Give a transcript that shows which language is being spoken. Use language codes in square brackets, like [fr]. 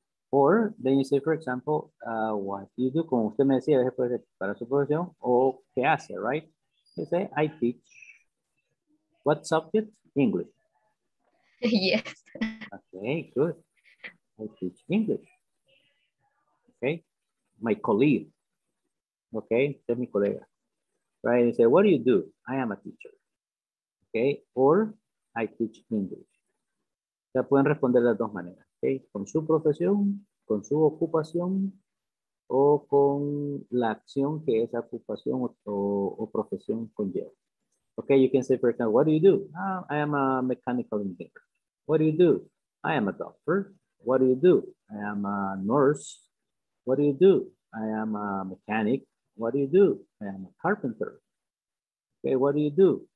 [en] Or then you say, for example, what do you do? [es] Como usted me decía, a veces puede ser para su profesión. O qué hace, [en] right? You say, I teach. What subject? English. Yes. Okay, good. I teach English. Okay. My colleague. Okay. [es] Usted es mi colega. [en] Right? You say, what do you do? I am a teacher. Okay. Or I teach English. [es] O sea, pueden responder las dos maneras. Okay. Con su profesión, con su ocupación o con la acción que esa ocupación o profesión conlleva. [en] Okay, you can say, for example, what do you do? I am a mechanical engineer. What do you do? I am a doctor. What do you do? I am a nurse. What do you do? I am a mechanic. What do you do? I am a carpenter. Okay, what do you do?